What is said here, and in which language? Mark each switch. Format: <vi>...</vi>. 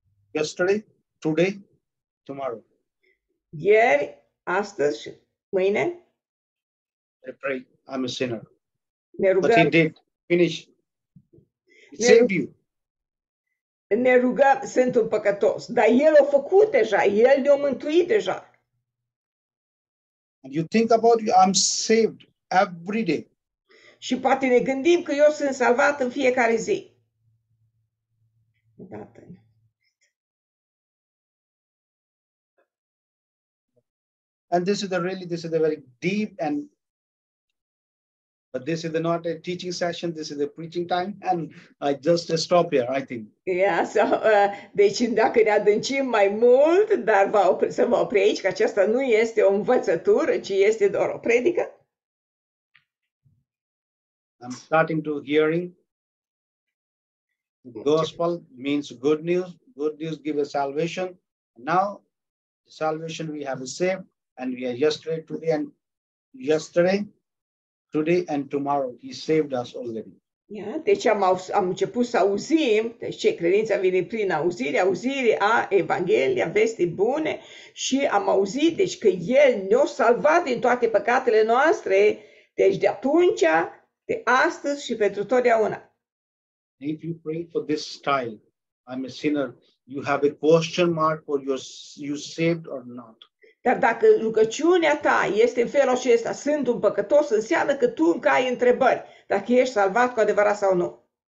<en>Yesterday, today, tomorrow.</en> <ro>Ieri, astăzi, mâine.</ro> <en>I pray, I'm a sinner.</en> <ro>Ne rugăm.</ro> <en>But he did. Finish. Save you.</en> <ro>Ne rugăm, sunt un păcătos. Dar El a făcut deja. El ne-a mântuit deja.</ro> <en>And you think about you, I'm saved every day.</en> <ro>Și poate ne gândim că eu sunt salvat în fiecare zi.</ro> <en>And this is the really, this is a very deep and but this is not a teaching session, this is a preaching time and I just stop here, I think. Yeah, so,</en> <ro>deci dacă ne adâncim mai mult, dar să mă opri aici, că aceasta nu este o învățătură, ci este doar o predică.</ro> <en>I'm starting to hearing the gospel means good news. Good news gives a salvation. Now, the salvation we have is saved, and we are yesterday, today, and tomorrow. He saved us already.</en> <ro>Yeah, deci am început să auzim, deci ce credința vine prin auzire, auzire a Evanghelia, vestii bune, și am auzit, deci că El ne-a salvat din toate păcatele noastre, deci de atunci de astăzi și pentru totdeauna.</ro> <en>If you pray for this style, I'm a sinner, you have a question mark for you saved or not.</en> <ro>Dar dacă rugăciunea ta este în felul acesta, sunt un păcătos, înseamnă că tu încă ai întrebări, dacă ești salvat cu adevărat sau nu.</ro>